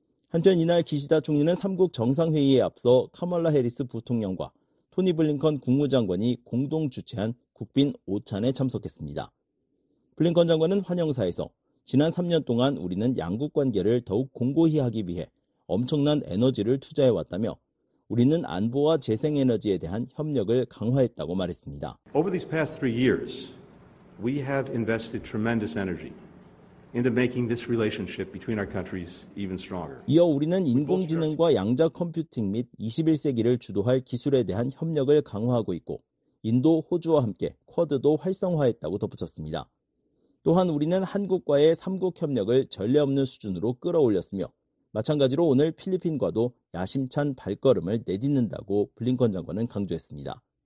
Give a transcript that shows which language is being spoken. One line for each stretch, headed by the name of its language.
Korean: 한편 이날 기시다 총리는 3국 정상회의에 앞서 카멀라 해리스 부통령과 토니 블링컨 국무장관이 공동 주최한 국빈 오찬에 참석했습니다. 블링컨 장관은 환영사에서 지난 3년 동안 우리는 양국 관계를 더욱 공고히 하기 위해 엄청난 에너지를 투자해왔다며 우리는 안보와 재생에너지에 대한 협력을 강화했다고 말했습니다.
English: Over these past three years, we have invested tremendous energy into making this relationship between our countries even stronger.
Korean: 이어 우리는 인공지능과 양자 컴퓨팅 및 21세기를 주도할 기술에 대한 협력을 강화하고 있고 인도, 호주와 함께 쿼드도 활성화했다고 덧붙였습니다. 또한 우리는 한국과의 3국 협력을 전례 없는 수준으로 끌어올렸으며 마찬가지로 오늘 필리핀과도 야심찬 발걸음을 내딛는다고 블링컨 장관은 강조했습니다.